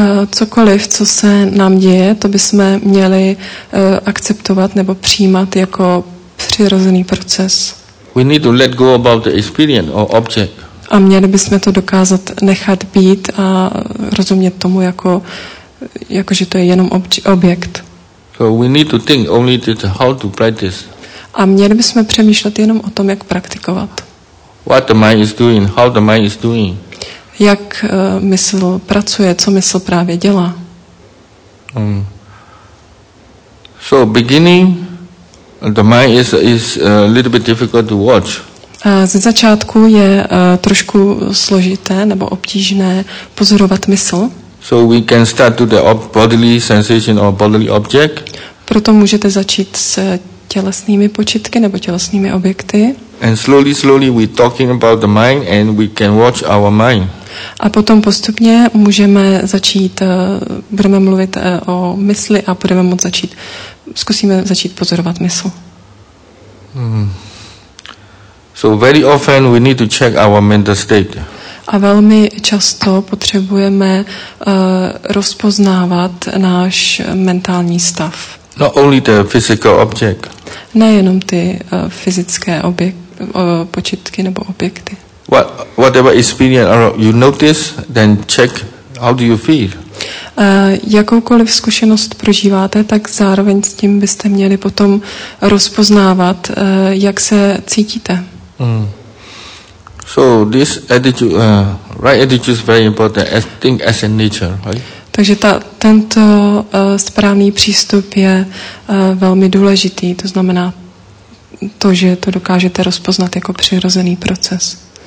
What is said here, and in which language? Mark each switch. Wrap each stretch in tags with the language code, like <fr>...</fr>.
<cs>Cokoliv, co se nám děje, to bychom měli akceptovat nebo přijímat jako přirozený proces.</cs> <en>We need to let go about the experience or object.</en> <cs>A měli bychom to dokázat nechat být a rozumět tomu jako jakože to je jenom objekt.</cs> <en>So we need to think only that how to practice.</en> <cs>A měli bychom přemýšlet jenom o tom, jak praktikovat.</cs> <en>What the mind is doing, how the mind is doing.</en> <cs>Jak mysl pracuje, co mysl právě dělá.</cs> <en>So beginning the mind is a little bit difficult to watch.</en> <cs>Ze začátku je trošku složité nebo obtížné pozorovat mysl.</cs> <en>So we can start to the bodily sensation or bodily object.</en> <cs>Proto můžete začít s tělesnými počítky nebo tělesnými objekty.</cs> <en>And slowly we talking about the mind and we can watch our mind.</en> <cs>A potom postupně můžeme začít, budeme mluvit o mysli a budeme moct začít, zkusíme začít pozorovat mysl.</cs> <en>So very often we need to check our mental state.</en> <cs>A velmi často potřebujeme rozpoznávat náš mentální stav.</cs> <en>Not only the physical object.</en> <cs>Nejenom ty fyzické počítky nebo objekty.</cs> <en>Whatever experience you notice, then check how do you feel.</en> <cs>Jakoukoliv zkušenost prožíváte, tak zároveň s tím byste měli potom rozpoznávat, jak se cítíte.</cs> <en>So this attitude, right attitude is very important. I think as a nature, right?</en> <cs>Takže tento správný přístup je velmi důležitý. To znamená to, že to dokážete rozpoznat jako přirozený proces.</cs>